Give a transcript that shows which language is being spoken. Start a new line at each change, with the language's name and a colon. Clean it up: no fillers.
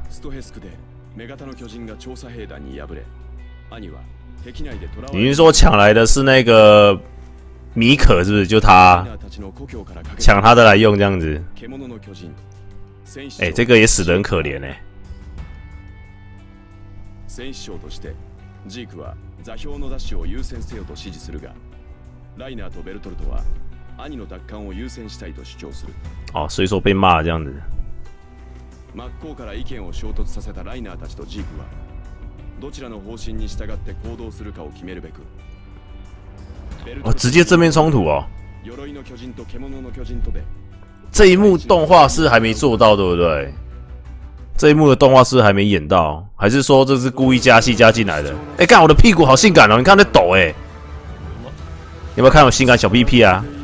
Japanese: ストヘスクで女型の巨人が調査兵団に敗れ、兄は敵内で捕らわれ。
Chinese: 您说抢来的是那个米可是不是？就他抢他的来用这样子。獣の巨人、哎，这个也死得很可怜哎。
Japanese: 戦士長としてジークは座標のダッシュを優先せよと指示するが、ライナーとベルトルトは。兄の奪還を優先したいと主張する。
Chinese: 哦，所以说被骂这样子。
Japanese: 真っ向から意見を衝突させたライナーたちとジークは、どちらの方針に従って行動するかを決めるべく。
Chinese: 哦，直接正面冲突啊！
Japanese: 鎧の巨人と獣の巨人とで。
Chinese: 这一幕动画是还没做到，对不对？这一幕的动画是还没演到，还是说这是故意加戏加进来的？哎，干，我的屁股好性感哦！你看在抖哎，有没有看我性感小屁屁啊？